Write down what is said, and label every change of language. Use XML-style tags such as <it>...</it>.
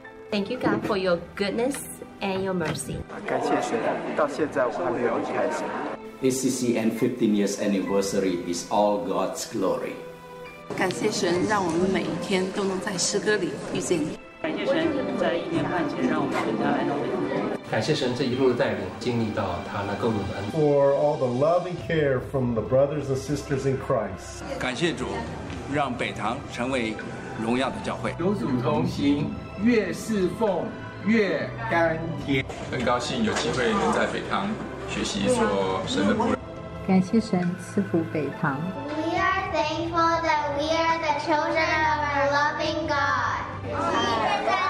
<en>Thank you God for your goodness and your mercy.</en> <zh>感谢神，到现在我还没有离开神。</zh> <en>ACCN 15 years anniversary is all God's glory.</en> <zh>感谢神，让我们每一天都能在诗歌里遇见你。感谢神，在1年半前让我们全家安慰。感谢神这一路的带领，经历到他那更多的恩。</zh> <en>For all the loving care from the brothers and sisters in Christ.</en> <zh>感谢主，让北堂成为荣耀的教会。有主同行，越侍奉越甘甜。很高兴有机会能在北堂学习做神的仆人。感谢神赐福北堂。</zh> <en>We are thankful that we are the children of our loving God.</en>